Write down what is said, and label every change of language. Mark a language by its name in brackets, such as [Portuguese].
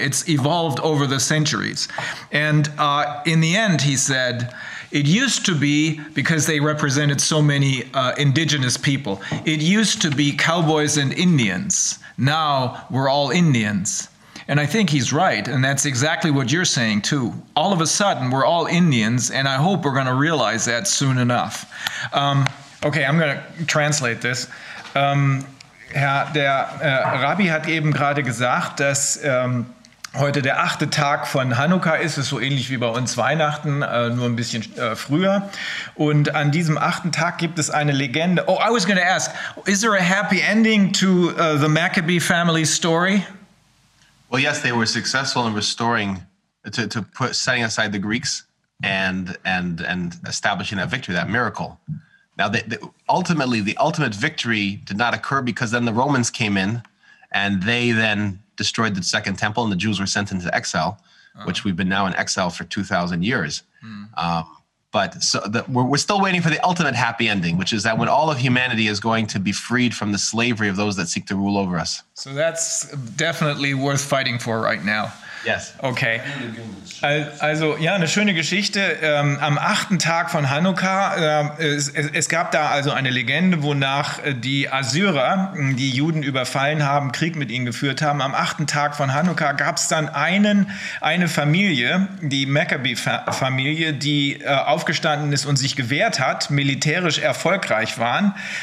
[English] It's evolved over the centuries. And in the end, he said, it used to be, because they represented so many indigenous people, it used to be cowboys and Indians. Now we're all Indians. And I think he's right, and that's exactly what you're saying too. All of a sudden, we're all Indians, and I hope we're gonna realize that soon enough. Okay, I'm gonna translate this. [German] Der Rabbi hat eben gerade gesagt, dass heute der achte Tag von Hanukkah ist, es so ähnlich wie bei uns Weihnachten, nur ein bisschen früher. Und an diesem achten Tag gibt es eine Legende. [English] Oh, I was going to ask, is there a happy ending to the Maccabee family story? Well, yes, they were successful in restoring, setting aside the Greeks and establishing that victory, that miracle. Now, the ultimate victory did not occur because then the Romans came in and they then destroyed the Second Temple, and the Jews were sent into exile, which we've been now in exile for 2,000 years. Mm. But we're still waiting for the ultimate happy ending, which is that when all of humanity is going to be freed from the slavery of those that seek to rule over us. So that's definitely worth fighting for right now. Yes. [German] Okay. Also, ja, eine schöne Geschichte. Am achten Tag von Hanukkah, es gab da also eine Legende, wonach die Assyrer, die Juden überfallen haben, Krieg mit ihnen geführt haben. Am achten Tag von Hanukkah gab es dann eine Familie, die Maccabee-Familie, die aufgestanden ist und sich gewehrt hat, militärisch erfolgreich waren.